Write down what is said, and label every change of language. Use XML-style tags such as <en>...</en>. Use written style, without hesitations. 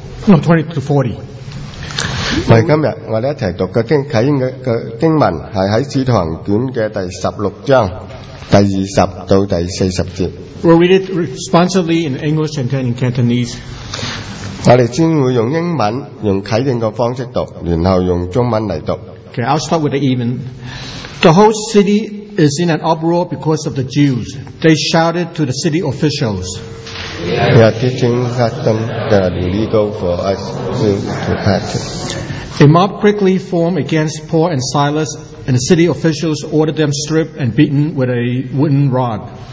<en>We'll read it responsively in English and then in Cantonese.</en> <zh>我们先会用英文用启定的方式读，然后用中文来读。</zh> <en>Okay, I'll start with the even. The whole city is in an uproar because of the Jews. They shouted to the city officials. They are teaching customs that are illegal for us to practice. A mob quickly formed against Paul and Silas, and the city officials ordered them stripped and beaten with a wooden rod.</en>